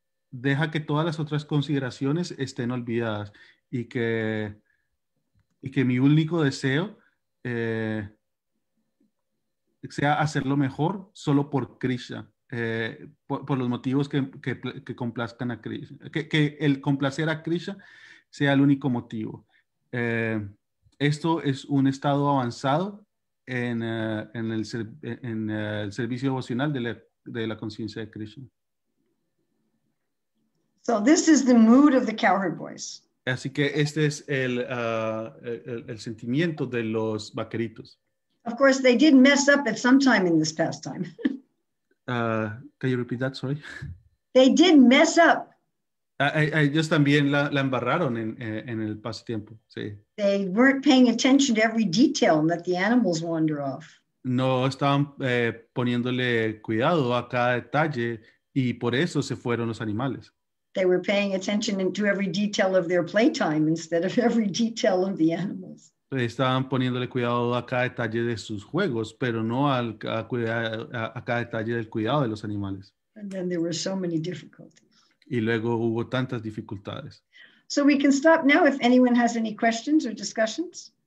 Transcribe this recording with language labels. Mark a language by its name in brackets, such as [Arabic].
[Spanish] Deja que todas las otras consideraciones estén olvidadas y que mi único deseo sea hacerlo mejor solo por Krishna, por los motivos que complazcan a Krishna, que el complacer a Krishna sea el único motivo. Esto es un estado avanzado en el servicio devocional de la conciencia de Krishna. [English] So this is the mood of the cowherd boys. [Spanish] Así que este es el sentimiento de los vaqueritos. [English] Of course, they did mess up at some time in this pastime. Can you repeat that? Sorry. They did mess up. [Spanish] Ellos también la embarraron en el pasatiempo. Sí. [English] They weren't paying attention to every detail and let the animals wander off. [Spanish] No estaban poniéndole cuidado a cada detalle Y por eso se fueron los animales. [English] They were paying attention to every detail of their playtime instead of every detail of the animals. [Spanish] Estaban poniéndole cuidado a cada detalle de sus juegos, pero no a cada detalle del cuidado de los animales. [English] And then there were so many difficulties. [Spanish] Y luego hubo tantas dificultades. [English] So we can stop now if anyone has any questions or discussions.